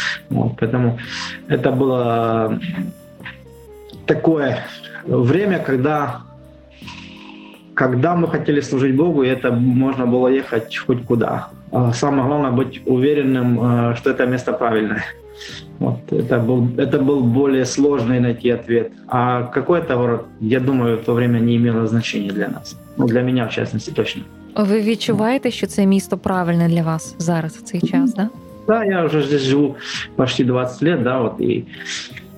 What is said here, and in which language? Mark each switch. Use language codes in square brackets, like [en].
[ru] Вот, поэтому это было такое время, когда мы хотели служить Богу, и это можно было ехать хоть куда. Самое главное — быть уверенным, что это место правильное. Вот, это был более сложный найти ответ. А какой это город, я думаю, в то время не имело значения для нас. Ну, для меня, в частности, точно. [uk] Вы відчуваєте, що це місто правильне для вас зараз, в цей час, да? [ru] Да, я уже здесь живу почти 20 лет, да, вот, и